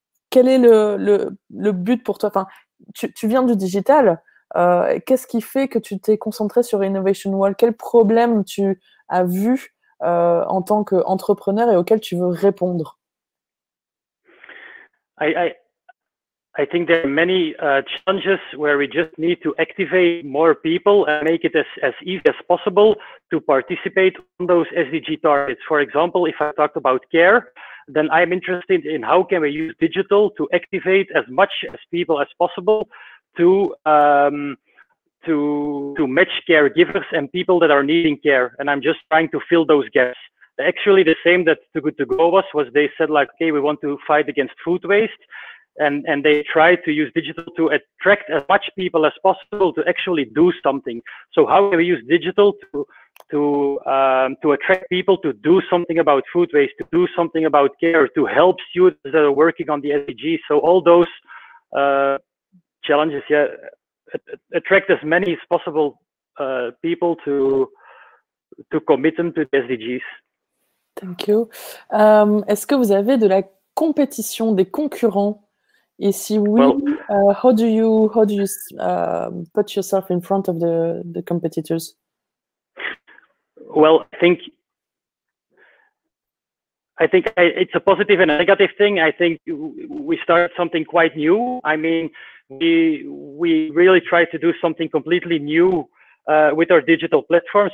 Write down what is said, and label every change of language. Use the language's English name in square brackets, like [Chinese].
[French] Quel est le but pour toi ? Enfin, tu viens du digital. Qu'est-ce qui fait que tu t'es concentré sur Innovation Wall ? Quel problème tu as vu en tant qu'entrepreneur et auquel tu veux répondre ? [English] I, I, I think there are many challenges where we just need to activate more people and make it as easy as possible to participate on those SDG targets. For example, if I talk about care, then I'm interested in how can we use digital to activate as much as people as possible to match caregivers and people that are needing care. And I'm just trying to fill those gaps. Actually, the same that Too Good To Go was they said like, okay, we want to fight against food waste. And they try to use digital to attract as much people as possible to actually do something. So how can we use digital to attract people to do something about food waste, to do something about care, to help students that are working on the SDGs? So all those challenges, yeah, attract as many as possible people to commit them to the SDGs. Thank you. [French] Est-ce que vous avez de la compétition, des concurrents? Et si oui, [English] well, how do you put yourself in front of the competitors? Well, I think it's a positive and a negative thing. I think we start something quite new. I mean, we really try to do something completely new with our digital platform.